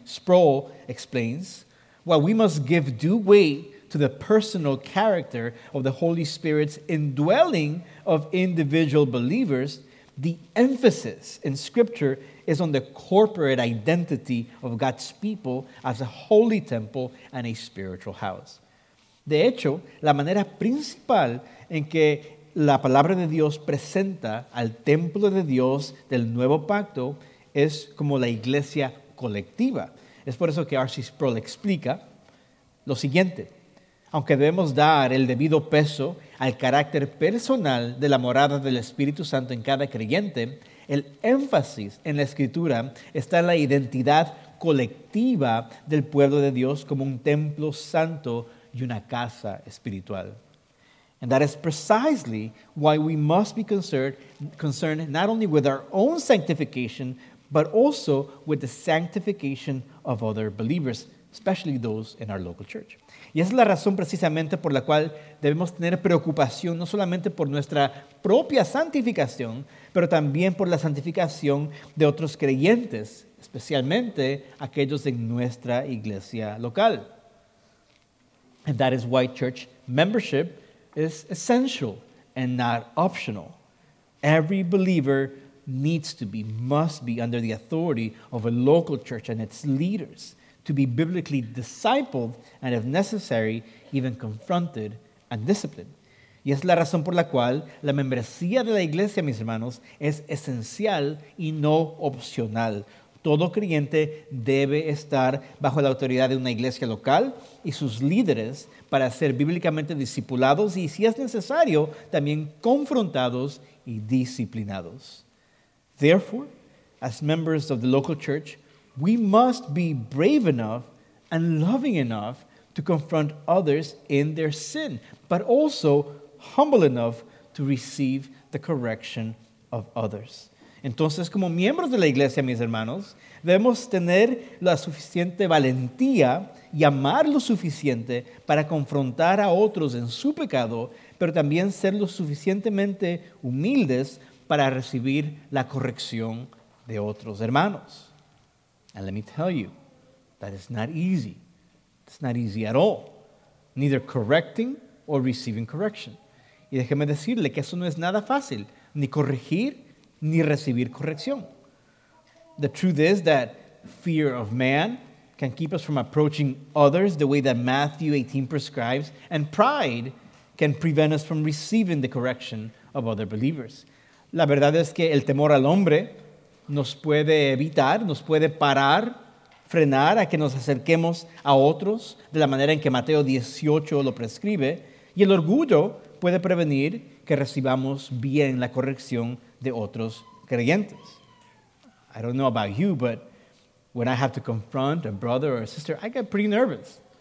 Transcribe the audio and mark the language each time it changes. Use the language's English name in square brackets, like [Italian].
[English] Sproul explains, while we must give due weight to the personal character of the Holy Spirit's indwelling of individual believers, the emphasis in Scripture is on the corporate identity of God's people as a holy temple and a spiritual house. [Spanish] De hecho, la manera principal en que la palabra de Dios presenta al templo de Dios del nuevo pacto es como la iglesia colectiva. Es por eso que R.C. Sproul explica lo siguiente. Aunque debemos dar el debido peso al carácter personal de la morada del Espíritu Santo en cada creyente, el énfasis en la Escritura está en la identidad colectiva del pueblo de Dios como un templo santo y una casa espiritual. [English] And that is precisely why we must be concerned not only with our own sanctification, but also with the sanctification of other believers, especially those in our local church. [Spanish] Y esa es la razón precisamente por la cual debemos tener preocupación no solamente por nuestra propia santificación, pero también por la santificación de otros creyentes, especialmente aquellos en nuestra iglesia local. [English] And that is why church membership is essential and not optional. Every believer must be under the authority of a local church and its leaders to be biblically discipled and, if necessary, even confronted and disciplined. [Spanish] Y es la razón por la cual la membresía de la iglesia, mis hermanos, es esencial y no opcional. Todo creyente debe estar bajo la autoridad de una iglesia local y sus líderes para ser bíblicamente discipulados y, si es necesario, también confrontados y disciplinados. [English] Therefore, as members of the local church, we must be brave enough and loving enough to confront others in their sin, but also humble enough to receive the correction of others. [Spanish] Entonces, como miembros de la iglesia, mis hermanos, debemos tener la suficiente valentía y amar lo suficiente para confrontar a otros en su pecado, pero también ser lo suficientemente humildes para recibir la corrección de otros hermanos. [English] And let me tell you, that is not easy. It's not easy at all. Neither correcting or receiving correction. [Spanish] Y déjeme decirle que eso no es nada fácil, ni corregir ni recibir corrección. [English] The truth is that fear of man can keep us from approaching others the way that Matthew 18 prescribes, and pride can prevent us from receiving the correction of other believers. [Spanish] La verdad es que el temor al hombre nos puede evitar, nos puede parar, frenar a que nos acerquemos a otros de la manera en que Mateo 18 lo prescribe, y el orgullo puede prevenir que recibamos bien la corrección de otros creyentes. [English] I don't know about you, but when I have to confront a brother or a sister, I get pretty nervous.